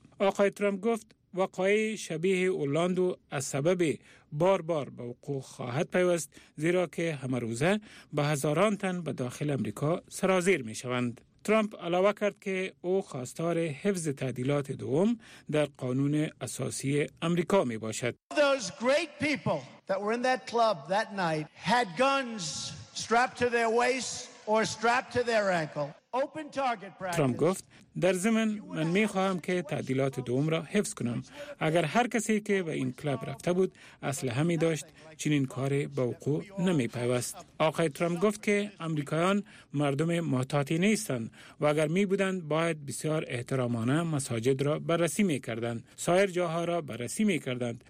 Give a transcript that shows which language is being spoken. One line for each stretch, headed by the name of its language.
Persian: آقای ترامپ گفت وقایع شبیه اورلاندو از سبب بار بار به وقوع خواهد پیوست، زیرا که همه روزه به هزاران تن به داخل امریکا سرازیر می شوند. ترامپ علاوه کرد که او خواستار حفظ تعدیلات دوم در قانون اساسی امریکا می باشد.
English: Those great people that were in that club that night had guns strapped to their waist or strapped to their ankle.
Persian: ترامپ گفت در ضمن من می خواهم که تعدیلات دوم را حفظ کنم. اگر هر کسی که به این کلاب رفته بود اسلحه می داشت، چنین کاری به وقوع نمی پیوست. آقای ترامپ گفت که امریکایان مردم محتاطی نیستند و اگر می بودند باید بسیار احترامانه مساجد را بررسی می کردند، سایر جاها را بررسی می کردند.